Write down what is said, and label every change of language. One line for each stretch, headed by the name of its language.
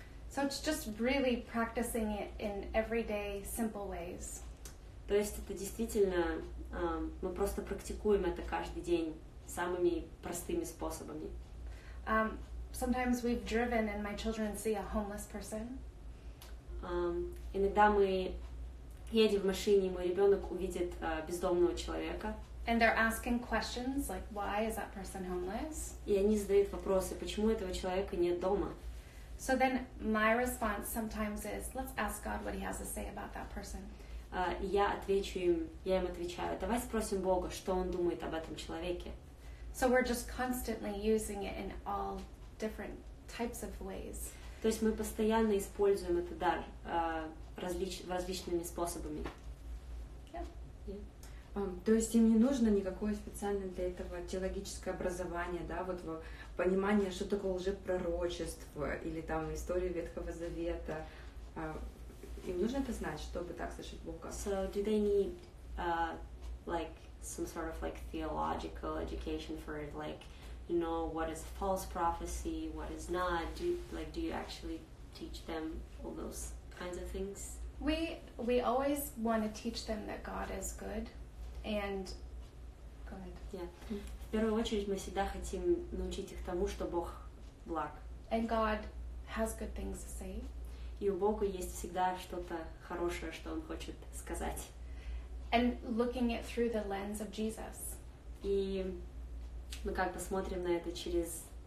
English: So it's just really practicing it in everyday simple ways.
Russian: То есть это действительно, мы просто практикуем это каждый день. Самыми простыми способами.
English: Sometimes we've driven and my children see a homeless person.
Russian: Иногда мы едет в машине, и мой ребенок увидит бездомного человека.
English: And they're asking questions like, why is that person homeless?
Russian: И они задают вопросы, почему этого человека нет дома?
English: So then my response sometimes is, let's ask God what He has to say about that person.
Russian: Я им отвечаю, давай спросим Бога, что Он думает об этом человеке.
English: So we're just constantly using it in all different types of ways.
Russian: То есть мы постоянно используем этот дар различными способами. То есть им не нужно никакое специальное для этого теологическое образование, да, вот понимание, что такое лжепророчество или там история Ветхого Завета. Им нужно это знать, чтобы так слышать Бога.
English: So do they need like some sort of like theological education for it, like you know what is false prophecy, what is not? Do you actually teach them all those kinds of things? We always want to teach them that God is good. And go ahead.
Russian: Yeah. В первую очередь мы всегда хотим научить их тому, что Бог благ.
English: And God has good things to say.
Russian: И у Бога есть всегда что-то хорошее, что Он хочет сказать.
English: And looking it through the lens of Jesus.
Russian: И мы как посмотрим на это через